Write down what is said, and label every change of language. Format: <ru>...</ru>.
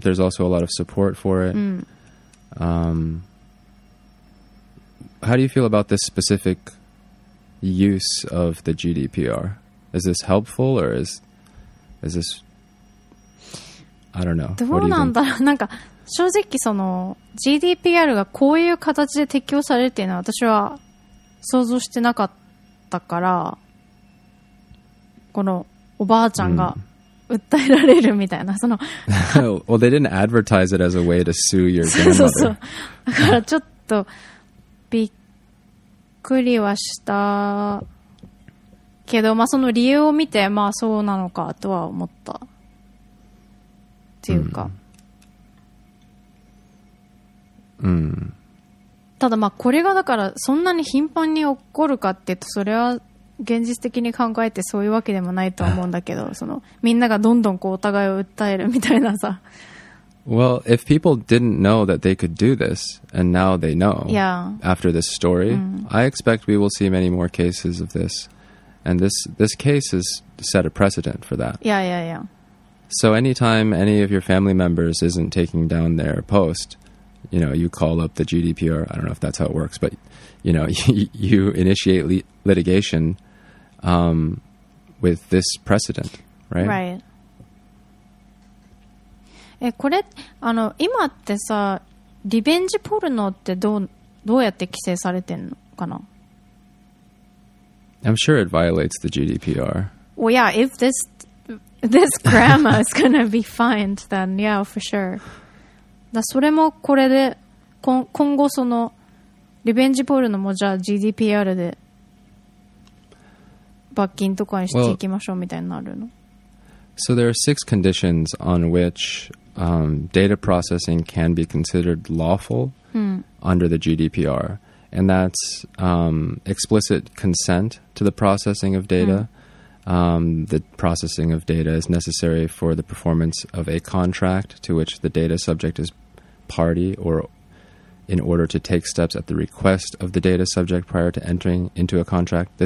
<en>There's also a lot of support for it. How do you feel about this specific use of the GDPR? Is this helpful or is this, I don't know.</en> <ja>どうなんだろう。なんか正直その GDPR がこういう形で適用されるっていうのは私は想像してなかったから、このおばあちゃんが訴えられるみたいな、その</ja> <en>Well, they didn't advertise it as a way to sue your grandmother.</en> <ja>そうそう、だからちょっとびっくりはしたけど、まあその理由を見て、まあそうなのかとは思ったっていうか、ただまあこれがだからそんなに頻繁に起こるかって言うと、それは現実的に考えてそういうわけでもないと思うんだけど、そのみんながどんどんこうお互いを訴えるみたいなさ。</ja> <en>Well, if people didn't know that they could do this, and now they know, yeah. after this story, I expect we will see many more cases of this. And this case has set a precedent for that. Yeah, yeah, yeah. So anytime any of your family members isn't taking down their post, you know, you call up the GDPR. I don't know if that's how it works, but, you know, you initiate litigation with this precedent, right? Right.</en> <ja>これあの今ってさ、リベンジポルノってどうやって規制されてんのかな。</ja> <en>I'm sure it violates the GDPR. Well, yeah, if this grandma is gonna be fined, then yeah, for sure.</en> <ja>だそれもこれで今後そのリベンジポルノもじゃあ GDPR で罰金とかにしていきましょうみたいになるの？</ja> <en>So there are six conditions on which、data processing can be considered lawful、under the GDPR. And that's、explicit consent to the processing of data.、the processing of data is necessary for the performance of a contract to which the data subject is party or in order to take steps at the request of the data subject prior to entering into a contract.</en>